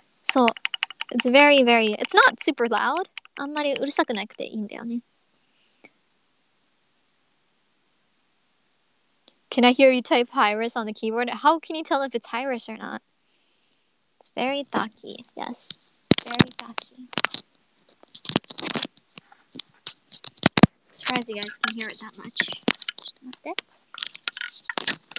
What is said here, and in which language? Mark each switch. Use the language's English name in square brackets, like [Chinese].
[English] So, it's very, very, it's not super loud. [Japanese] あんまりうるさくなくていいんだよね。 [English] Can I hear you type Hyrus on the keyboard? How can you tell if it's Hyrus or not? It's very thocky, yes. Very thocky. Surprised you guys can hear it that much.